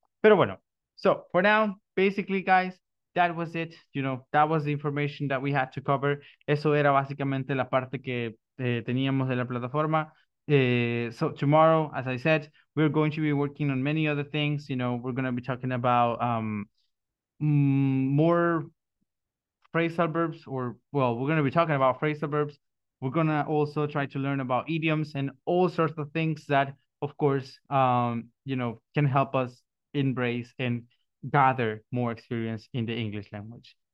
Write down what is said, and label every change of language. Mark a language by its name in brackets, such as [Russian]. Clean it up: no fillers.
[Spanish] Pero bueno, [English] so for now, basically guys, that was it. You know, that was the information that we had to cover. [Spanish] Eso era básicamente la parte que teníamos de la plataforma. [English] So tomorrow, as I said, we're going to be working on many other things. You know, we're going to be talking about more phrasal verbs, we're going to be talking about phrasal verbs. We're going to also try to learn about idioms and all sorts of things that, of course, you know, can help us embrace and gather more experience in the English language.